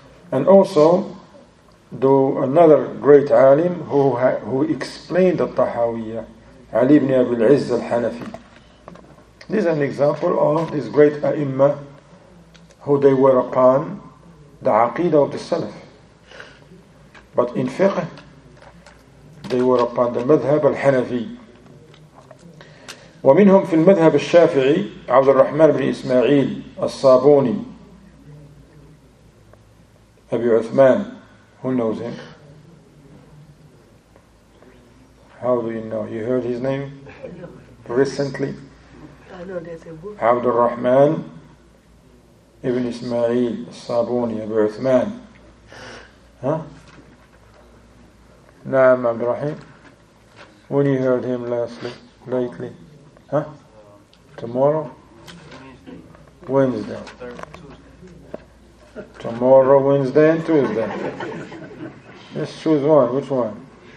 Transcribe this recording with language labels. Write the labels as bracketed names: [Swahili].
[English] And also, do another great alim who explained the Tahawiyya, Ali ibn Abi al-Izz al-Hanafi. This is an example of this great A'imma who they were upon the Aqidah of the Salaf. But in fiqh, they were upon the madhab al-Hanafi. [Arabic] ومنهم في المذهب الشافعي عبد الرحمن بن إسماعيل الصابوني أبي عثمان. [English] Who knows him? How do you know? You heard his name recently? [Arabic] عبد الرحمن ابن إسماعيل الصابوني أبي عثمان. Huh? [English] Naam Abdurrahim, when you heard him lately, huh? Tomorrow? Wednesday. Tomorrow, Wednesday and Tuesday. Just choose one, which one?